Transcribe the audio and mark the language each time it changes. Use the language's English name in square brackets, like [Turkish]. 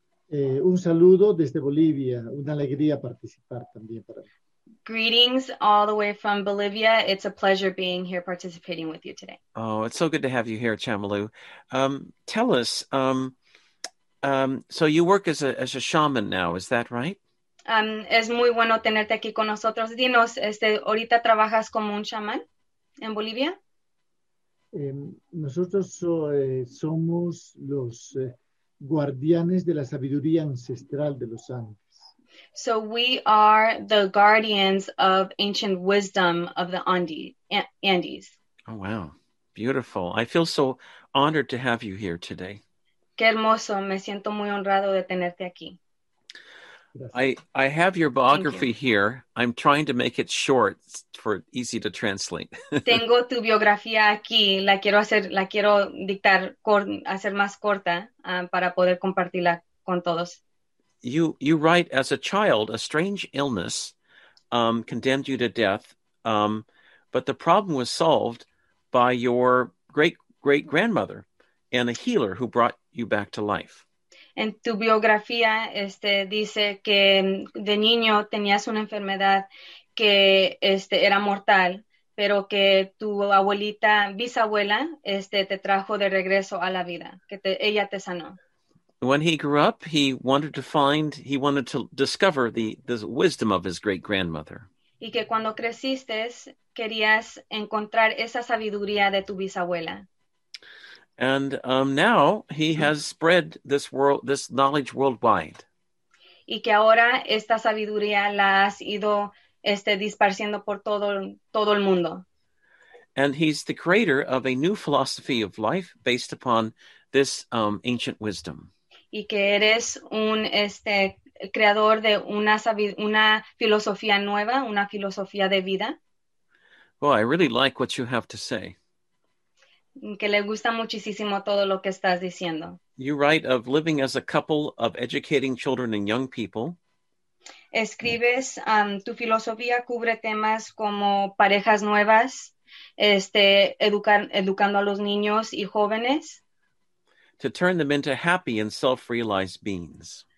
[Spanish] Un saludo desde Bolivia. Una alegría participar también para mí. [English] Greetings all the way from Bolivia. It's a pleasure being here participating with you today. Oh, it's so good to have you here, Chamalu. Tell us, so you work as a shaman now, is that right? [Spanish] Es muy bueno tenerte aquí con nosotros. Dinos, ¿ahorita trabajas como un chamán en Bolivia? Nosotros somos los guardianes de la sabiduría ancestral de los Andes. [English] So we are the guardians of ancient wisdom of the Andes. Oh, wow. Beautiful. I feel so honored to have you here today. [Spanish] Qué hermoso. Me siento muy honrado de tenerte aquí. [English] I have your biography here. I'm trying to make it short for easy to translate. [Spanish] Tengo tu biografía aquí. La quiero hacer más corta para poder compartirla con todos. [English] You write, as a child, a strange illness condemned you to death, but the problem was solved by your great-great-grandmother and a healer who brought you back to life. [Spanish] En tu biografía dice que de niño tenías una enfermedad que era mortal, pero que tu abuelita, bisabuela, te trajo de regreso a la vida, que ella te sanó. [English] When he grew up, he wanted to discover the wisdom of his great-grandmother. [Spanish] Y que cuando creciste, querías encontrar esa sabiduría de tu bisabuela. [English] And now he has spread this knowledge worldwide. [Spanish] Y que ahora esta sabiduría la has ido disparciendo por todo el mundo. [English] And he's the creator of a new philosophy of life based upon this ancient wisdom. [Spanish] Y que eres un creador de una filosofía nueva, una filosofía de vida. [English] Well, I really like what you have to say. [Spanish] Que le gusta muchísimo todo lo que estás diciendo. [English] You write of living as a couple, of educating children and young people. [Spanish] Escribes, tu filosofía cubre temas como parejas nuevas, educando a los niños y jóvenes. [English] To turn them into happy and self-realized beings.